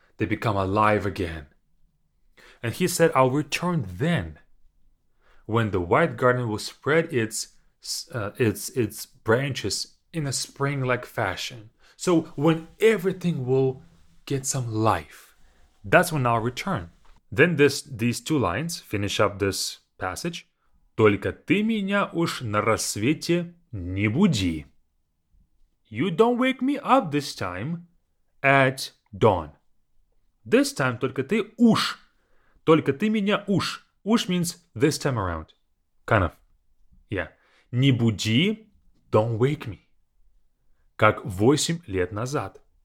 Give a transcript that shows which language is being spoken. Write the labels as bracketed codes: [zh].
[en] They become alive again. And he said, I'll return then, when the white garden will spread its branches in a spring-like fashion. So when everything will get some life, that's when I'll return. Then these two lines finish up this passage. [ru] Только ты меня уж на рассвете не буди. [en] You don't wake me up this time at dawn. This time [ru] только ты уж. Только ты меня уж. [en] Уж means this time around. Kind of. Yeah. [ru] Не буди, [en] don't wake me. [ru] Как 8 лет назад.